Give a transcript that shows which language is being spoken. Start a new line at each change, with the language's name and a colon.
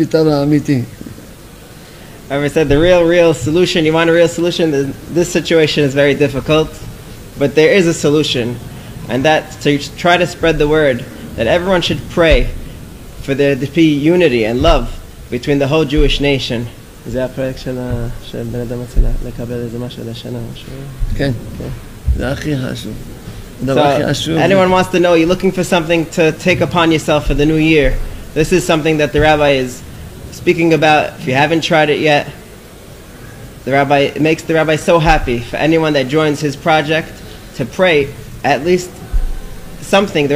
English: I said the real solution, you want a real solution, this situation is very difficult, but there is a solution, and that's to try to spread the word that everyone should pray for there to be unity and love between the whole Jewish nation.
Hebrew: זה הפרויקט של בן אדם הצלה לקבל איזה משהו לשנה משהו. כן, זה הכי חשוב.
English: So anyone wants to know, you're looking for something to take upon yourself for the new year. This is something that the rabbi is speaking about. If you haven't tried it yet, it makes the rabbi so happy for anyone that joins his project to pray at least something.